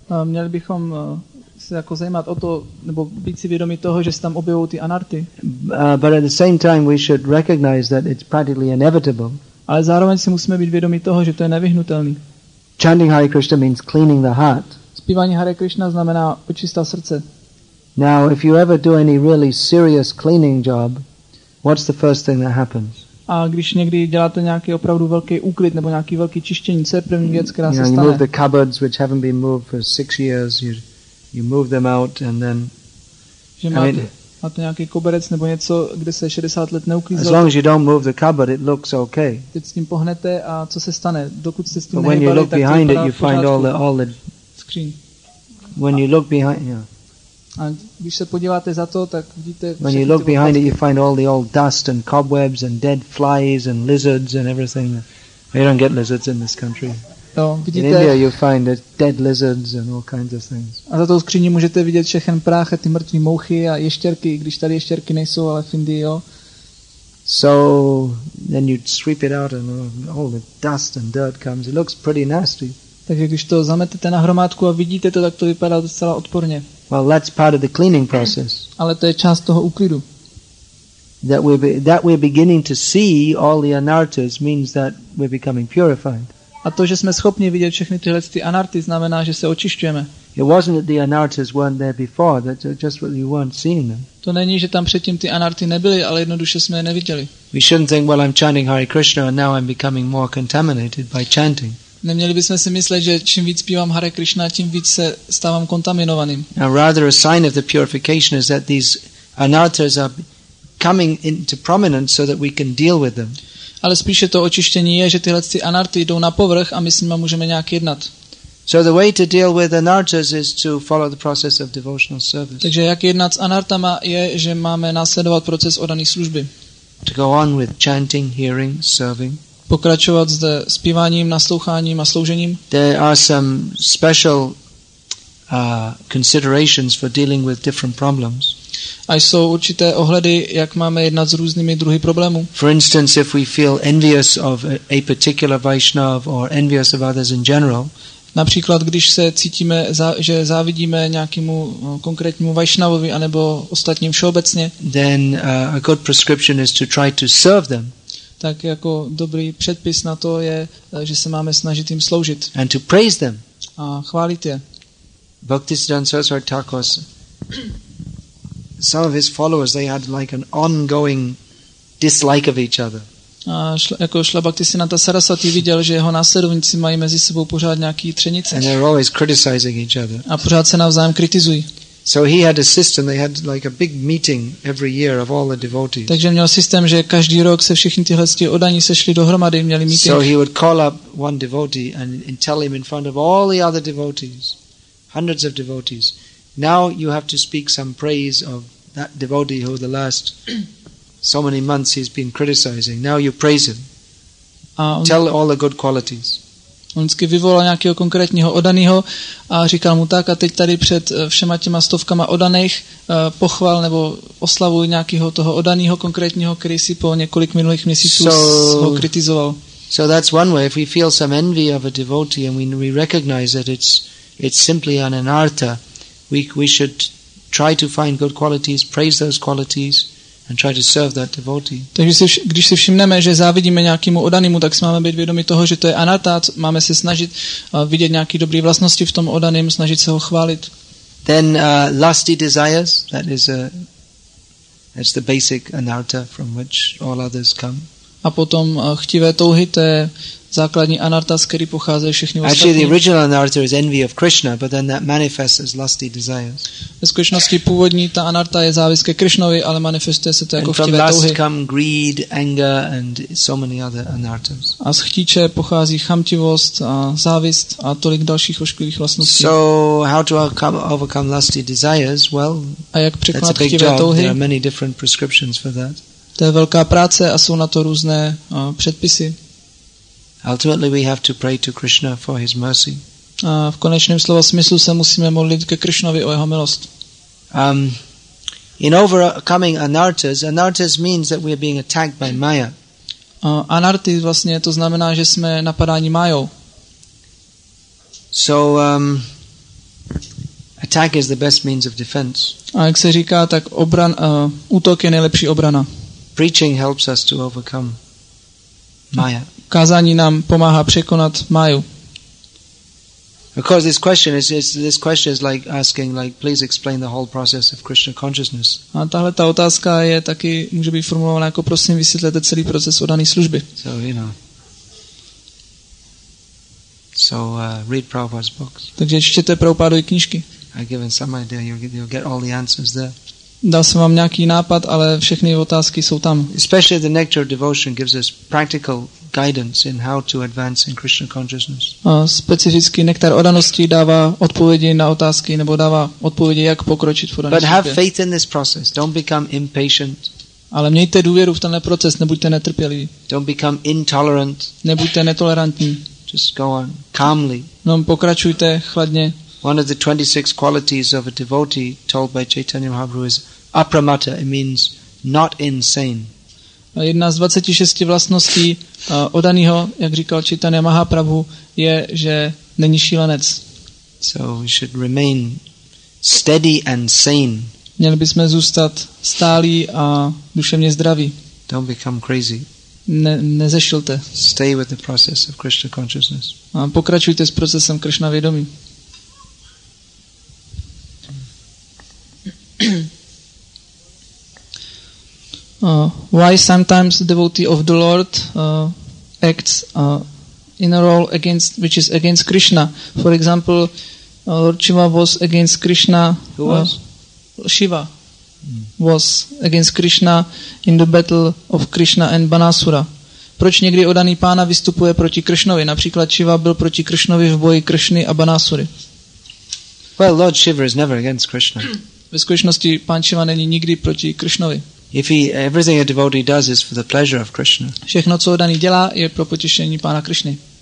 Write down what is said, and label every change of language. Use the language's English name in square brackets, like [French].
[Czech] Měli bychom se jako zajímat o to, nebo být si vědomi toho, že se tam objevují ty anarty. [English] But at the same time we should recognize that it's practically inevitable. [Czech] Ale zároveň si musíme být vědomi toho, že to je nevyhnutelný. [English] Chanting Hare Krishna means cleaning the heart. [Czech] Zpívání Hare Krishna znamená očistá srdce. [English] Now if you ever do any really serious cleaning job, what's the first thing that happens? [Czech] A když někdy děláte nějaký opravdu velký úklid nebo nějaký velký čištění, co je první věc, která se stane? [English] You move the cupboards which haven't been moved for 6 years, you move them out and then [Czech] máte nějaký koberec nebo něco, kde se 60 let neuklízelo. [English] As long as you don't move the cupboard, it looks okay. [Czech] Teď s tím pohnete a co se stane? Dokud se s tím nehybali, tak to vypadá [English] it, you find all the screen. When you look behind, yeah. [Czech] A když se podíváte za to, tak vidíte. [English] When you look behind it, you find all the old dust and cobwebs and dead flies and lizards and everything. We don't get lizards in this country. [Czech] No, vidíte. [English] In India, you find dead lizards and all kinds of things. [Czech] A za tou skříní můžete vidět všechen prach, ty mrtvé mouchy a ještěrky, když tady ještěrky nejsou, ale v Indii, jo. [English] So then you'd sweep it out and all the dust and dirt comes. It looks pretty nasty. [Czech] Takže když to zametete na hromádku a vidíte to, tak to vypadá docela odporně. [English] Well, that's part of the cleaning process. [Czech] Ale to je část toho úklidu. [English] That we're beginning to see all the anartas means that we're becoming purified. [Czech] A to, že jsme schopni vidět všechny tyhle ty anarty, znamená, že se očišťujeme. [English] It wasn't that the anartas weren't there before, that just that you weren't seeing them. [Czech] To není, že tam předtím ty anarty nebyly, ale jednoduše jsme je neviděli. [English] We shouldn't think, well, I'm chanting Hare Krishna and now I'm becoming more contaminated by chanting. [Czech] Neměli bychom si myslet, že čím víc zpívám Hare Krishna, tím víc se stávám kontaminovaným. [English] Now rather a sign of the purification is that these anartas are coming into prominence so that we can deal with them. [Czech] Ale spíše to očištění je, že tyhle ty anarty jdou na povrch a my s nimi můžeme nějak jednat. [English] So the way to deal with anartas is to follow the process of devotional service. [Czech] Takže jak jednat s anartama je, že máme následovat proces oddané služby. [English] To go on with chanting, hearing, serving. [Czech] Pokračovat zde zpíváním, nasloucháním a sloužením. [English] There are some special considerations for dealing with different problems. [Czech] A jsou určité ohledy, jak máme jednat s různými druhy problémů. [English] For instance, if we feel envious of a particular Vaishnav or envious of others in general. [Czech] Například, když se cítíme, že závidíme nějakému konkrétnímu Vaishnavovi anebo ostatním všeobecně. [English] Then a good prescription is to try to serve them. [Czech] Tak jako dobrý předpis na to je, že se máme snažit jim sloužit. [English] And to praise them. [Czech] A chválit je. [English] Bhaktisiddhanta Saraswati Thakur, some of his followers, they had like an ongoing dislike of each other. [Czech] A jako Šla Bhaktisiddhanta Saraswati viděl, že jeho následovníci mají mezi sebou pořád nějaký třenice. [English] And they're always criticizing each other. [Czech] A pořád se navzájem kritizují. [English] So he had a system, they had like a big meeting every year of all the devotees. [Czech] Takže měl systém, že každý rok se všichni tyhle ctí oddaní sešli dohromady, měli meeting. [English] So he would call up one devotee and tell him in front of all the other devotees, hundreds of devotees, now you have to speak some praise of that devotee who the last so many months he's been criticizing. Now you praise him. Tell all the good qualities. [Czech] On vždycky vyvolal nějakého konkrétního odaného a říkal mu tak, a teď tady před všema těma stovkama odaných pochval nebo oslavuj nějakého toho odaného konkrétního, který si po několik minulých měsíců ho kritizoval. [English] So that's one way. If we feel some envy of a devotee and we recognize that it's simply an anartha, we should try to find good qualities, praise those qualities, and try to serve that devotee. [Czech] Takže když si všimneme, že závidíme nějakému odanému, tak si máme být vědomi toho, že to je anarta, máme se snažit vidět nějaké dobré vlastnosti v tom odaném, snažit se ho chválit. [English] Then lusty desires, that's the basic anarta from which all others come. [Czech] A potom chtivé touhy, to je základní anarta, z který pocházejí všichni ostatní. [English] Actually, the original anarta is envy of Krishna, but then that manifests as lusty desires. [Czech] Ve skutečnosti původní ta anarta je závist ke Krishnovi, ale manifestuje se to jako chtivé touhy. [English] And from lust come greed, anger and so many other anartas. [Czech] A z chtíče pochází chamtivost a závist a tolik dalších ošklivých vlastností. [English] So how to overcome lusty desires? Well, [Czech] a jak překonat chtivé touhy? [English] There are many different prescriptions for that. [Czech] To je velká práce a jsou na to různé předpisy. [English] Ultimately we have to pray to Krishna for his mercy. [Czech] A v konečném slova smyslu se musíme modlit ke Krishnovi o jeho milost. [English] In overcoming anartas means that we are being attacked by Maya. [Czech] Anarty vlastně to znamená, že jsme napadáni Mayou. [English] So attack is the best means of defense. [Czech] A jak se říká, tak útok je nejlepší obrana. [English] Preaching helps us to overcome Maya. [Czech] Kázání nám pomáhá překonat Maju. [English] Of course, this question is like asking, like, please explain the whole process of Krishna consciousness. [Czech] A tahle ta otázka je taky může být formulována jako prosím vysvětlete celý proces oddané služby. [English] So you know. So read Prabhupada's books. [Czech] Takže čtěte Prabhupádovy knížky. [English] I've given some idea. You'll get all the answers there. [Czech] Dal jsem vám nějaký nápad, ale všechny otázky jsou tam. [English] Especially the nectar of devotion gives us practical guidance in how to advance in Krishna consciousness. [Czech] A specificky nektar odanosti dává odpovědi na otázky nebo dává odpovědi, jak pokročit v odanosti. [English] But have faith in this process. Don't become impatient. [Czech] Ale mějte důvěru v tenhle proces, nebuďte netrpěliví. [English] Don't become intolerant. [Czech] Nebuďte netolerantní. [English] Just go on calmly. [Czech] No, pokračujte chladně. [English] One of the 26 qualities of a devotee told by Chaitanya Mahaprabhu is apramatta. It means not insane. [Czech] Jedna z 26 vlastností odaného, jak říkal Chaitanya Mahaprabhu, je, že není šílenec. [English] So we should remain steady and sane. [Czech] Měli bychom zůstat stálí a duševně zdraví. [English] Don't become crazy. [Czech] Nezešilte. [English] Stay with the process of Krishna consciousness. [Czech] A pokračujte s procesem Krishna vědomí. [English] Why sometimes devotee of the Lord acts in a role against, which is against Krishna? For example, Lord Shiva was against Krishna. Shiva was against Krishna in the battle of Krishna and Banasura. [Czech] Proč někdy odaný pána vystupuje proti Krishnovi? Například Shiva byl proti Krishnovi v boji Krishny a Banasury. [English] Well, Lord Shiva is never against Krishna. [Czech] Ve skutečnosti pán Shiva není nikdy proti Krishnovi. [English] If he, everything a devotee does is for the pleasure of Krishna. [Czech] Všechno, co odaný dělá, je pro potěšení pána Krishny.